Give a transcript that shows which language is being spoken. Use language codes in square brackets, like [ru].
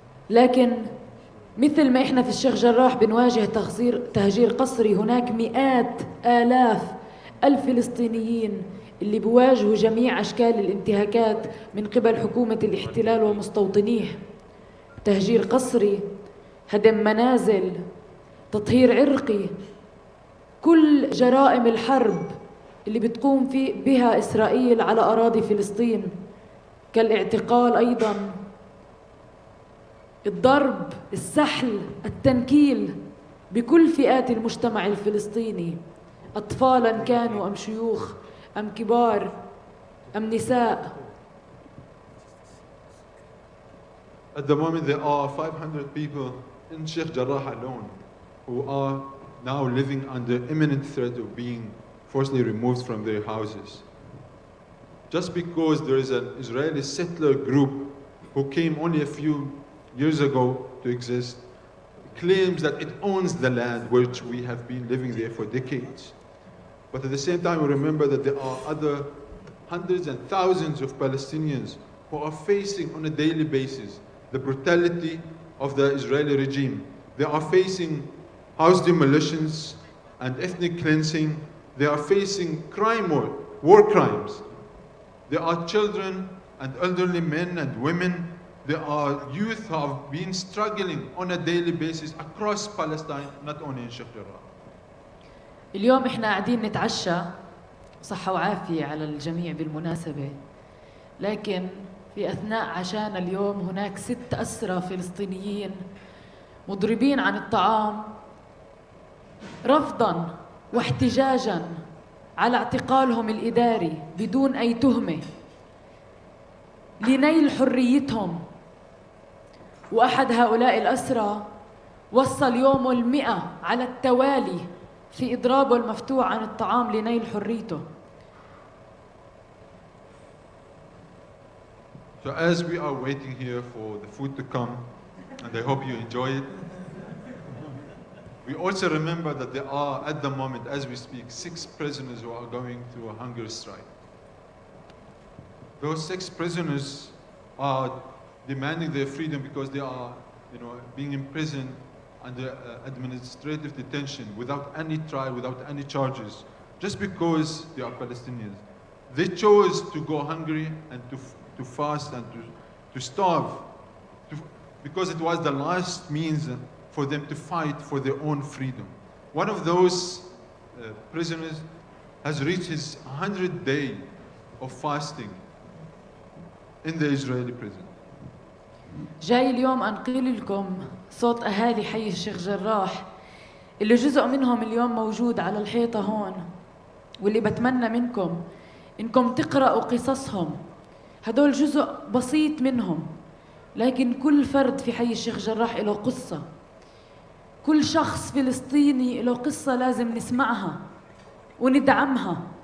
[ar] لكن مثل ما إحنا في الشيخ جراح بنواجه تهجير قسري هناك مئات آلاف الفلسطينيين اللي بواجهوا جميع أشكال الانتهاكات من قبل حكومة الاحتلال ومستوطنيه تهجير قسري هدم منازل تطهير عرقي كل جرائم الحرب اللي بتقوم بها إسرائيل على أراضي فلسطين كالاعتقال أيضاً الضرب، السحل، التنكيل بكل فئات المجتمع الفلسطيني أطفالاً كانوا أم شيوخ أم كبار أم نساء [en] At the moment there are 500 people in Sheikh Jarrah alone who are now living under imminent threat of being forcibly removed from their houses. Just because there is an Israeli settler group who came only a few years ago to exist, claims that it owns the land which we have been living there for decades. But at the same time, we remember that there are other hundreds and thousands of Palestinians who are facing on a daily basis the brutality of the Israeli regime. They are facing house demolitions and ethnic cleansing. They are facing crime or war crimes. There are children and elderly men and women. There are youth who have been struggling on a daily basis across Palestine, not only in Sheikh Jarrah. [ar] اليوم احنا قاعدين نتعشى صحة وعافية على الجميع بالمناسبة لكن في أثناء عشان اليوم هناك 6 أسرى فلسطينيين مضربين عن الطعام رفضاً واحتجاجاً على اعتقالهم الإداري بدون أي تهمة لنيل حريتهم وأحد هؤلاء الأسرى وصل يومه 100 على التوالي في إضرابه المفتوح عن الطعام لنيل حريته [en] So as we are waiting here for the food to come, and I hope you enjoy it, we also remember that there are, at the moment, as we speak, 6 prisoners who are going through a hunger strike. Those 6 prisoners are demanding their freedom because they are, you know, being imprisoned under administrative detention without any trial, without any charges, just because they are Palestinians. They chose to go hungry and to fast and to starve, because it was the last means for them to fight for their own freedom. One of those prisoners has reached his 100th day of fasting in the Israeli prison. [ar] جاي اليوم أنقل لكم صوت أهالي حي الشيخ جراح اللي جزء منهم اليوم موجود على الحيطة هون واللي بتمنى منكم إنكم تقرأوا قصصهم هدول جزء بسيط منهم لكن كل فرد في حي الشيخ جراح له قصة كل شخص فلسطيني له قصة لازم نسمعها وندعمها